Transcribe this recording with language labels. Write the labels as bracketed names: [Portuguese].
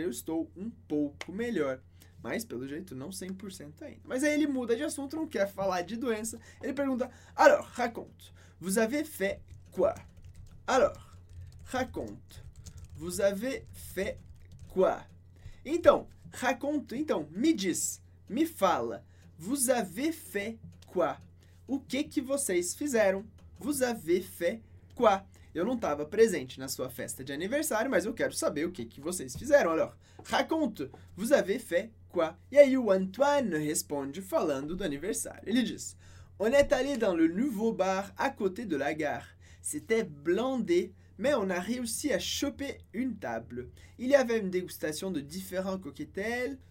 [Portuguese] Eu estou um pouco melhor. Mas, pelo jeito, não 100% ainda. Mas aí ele muda de assunto, não quer falar de doença. Ele pergunta: [French] alors, raconte, vous avez fait quoi? Alors, raconte, vous avez fait quoi? [Portuguese] Então, raconte, então, me diz, me fala, [French] vous avez fait quoi? [Portuguese] O que vocês fizeram? [French] Vous avez fait quoi? [Portuguese] Eu não estava presente na sua festa de aniversário, mas eu quero saber o que vocês fizeram. [French] Alors, raconte, vous avez fait quoi? [Portuguese] E aí o Antoine responde falando do aniversário. Ele diz: [French] on est allé dans le nouveau bar à côté de la gare. C'était blindé, mais on a réussi à choper une table. Il y avait une dégustation de différents cocktails.